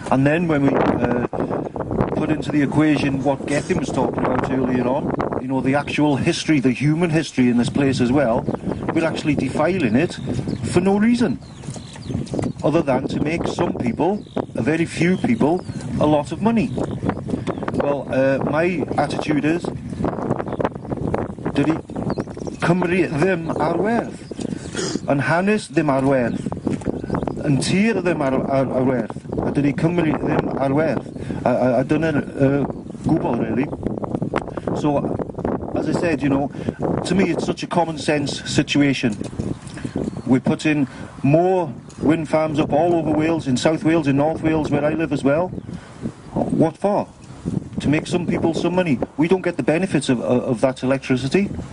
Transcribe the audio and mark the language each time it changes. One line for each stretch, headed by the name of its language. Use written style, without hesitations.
English: And then when we put into the equation what Gethin was talking about earlier on, you know, the actual history, the human history in this place as well, we're actually defiling it for no reason, other than to make some people, a very few people, a lot of money. Well, my attitude is,
Welsh: Cymru ddim ar werth, yn hanes ddim ar werth, yn tir ddim ar werth, a dydy Cymru ddim ar werth, a dyna'r gwbl,
English: really. So, as I said, you know, to me it's such a common sense situation. We're putting more wind farms up all over Wales, in South Wales, in North Wales, where I live as well. What for? To make some people some money. We don't get the benefits of that electricity.